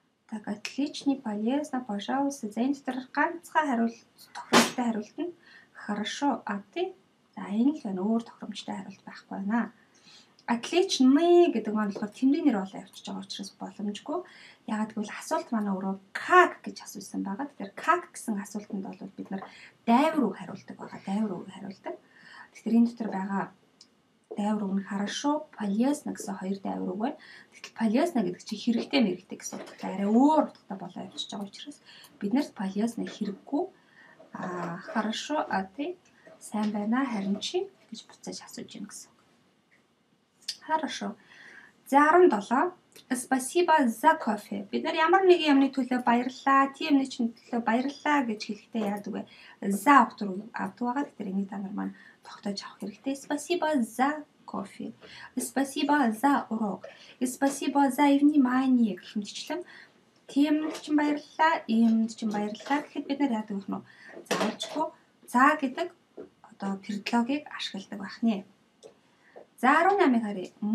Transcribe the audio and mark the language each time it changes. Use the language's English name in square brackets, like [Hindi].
[Russian] Так, отлично, полезно, пожалуйста. [Mongolian] За энэ дотор ганцхан хариулт, тохиромжтой хариулт нь. [Russian] Хорошо, а ты? [Mongolian] За энэ л байна, өөр тохиромжтой хариулт байхгүй байна. Отлично гэдэг нь болохоор тэмдэг нэр болоо явчихж байгаа учраас боломжгүй. Ягаад гэвэл асуулт манай өөрөө как гэж асуусан байгаа. Тэгэхээр как гэсэн асуултанд бол бид нар дайвар үг хариулдаг байгаа. Дайвар үг хариулдаг. Тэгэхээр энэ дотор байгаа дайвар үг нь хорошо, полезно гэсэн хоёр дайвар үг байна. Тэгэхээр полезно гэдэг чинь хэрэгтэй мэрэгтэй гэсэн утгатай. Арай өөр утгатай болоо явчихж байгаа учраас бид нарт полезно хэрэггүй. [Russian] Хорошо, а ты? [Mongolian] Сайн байна, харин чи гэж буцааж асууж юм гээд. [Russian] Хорошо. [Mongolian] За 17. [Russian] Спасибо за кофе. [Mongolian] Бид нар ямар нэгэн юмны төлөө баярлаа. Тийм юмны чинь төлөө баярлаа гэж хэлэхдээ яадаг вэ? За автор автуугаа гэхдээ энэ та нар маань тогтоож авах хэрэгтэй. [Russian] Спасибо за кофе. Спасибо за урок. Спасибо за внимание [Mongolian] гэх мэтчлэн. Тийм юмны чинь баярлаа. Иймд чинь баярлаа гэхэд бид нар яадаг вэ? За олчихгүй. За гэдэг одоо терминологиг ашигладаг байх нэ. За 18-ыг харъя.